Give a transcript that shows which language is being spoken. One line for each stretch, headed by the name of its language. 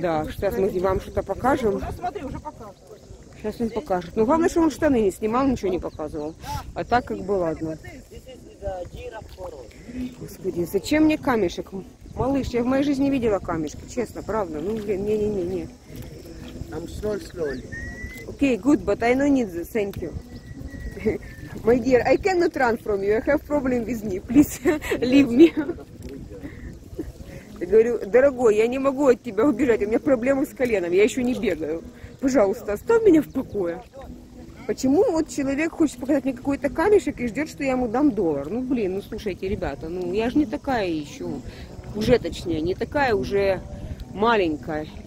Russian: Да, сейчас мы вам что-то покажем. Уже покажут. Сейчас он покажет. Ну главное, что он штаны не снимал, ничего не показывал. А так как бы ладно. Господи, зачем мне камешек? Малыш, я в моей жизни видела камешки, честно, правда. Ну, блин, не-не-не-не. Нам соль.
English: Okay, good, but I don't need this, thank you. My dear, I cannot run from you, I have problem with knee, please leave me.
Russian: Я говорю, дорогой, я не могу от тебя убежать, у меня проблемы с коленом, я еще не бегаю. Пожалуйста, оставь меня в покое. Почему вот человек хочет показать мне какой-то камешек и ждет, что я ему дам доллар? Ну блин, ну слушайте, ребята, ну я же не такая еще, уже точнее, не такая уже маленькая.